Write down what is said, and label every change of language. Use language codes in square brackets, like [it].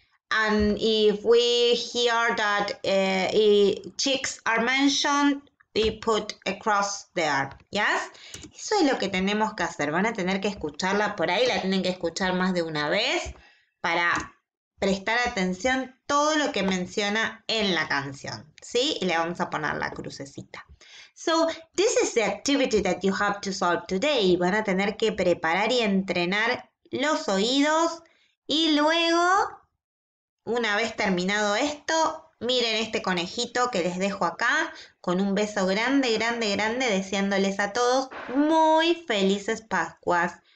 [en] And if we hear that chicks are mentioned, y put across there, ¿ya? ¿Sí? [es] Eso es lo que tenemos que hacer. Van a tener que escucharla por ahí, la tienen que escuchar más de una vez para prestar atención todo lo que menciona en la canción, ¿sí? Y le vamos a poner la crucecita. [en] So, this is the activity that you have to solve today. [es] Van a tener que preparar y entrenar los oídos y luego, una vez terminado esto, miren este conejito que les dejo acá con un beso grande, grande, grande, deseándoles a todos muy felices Pascuas.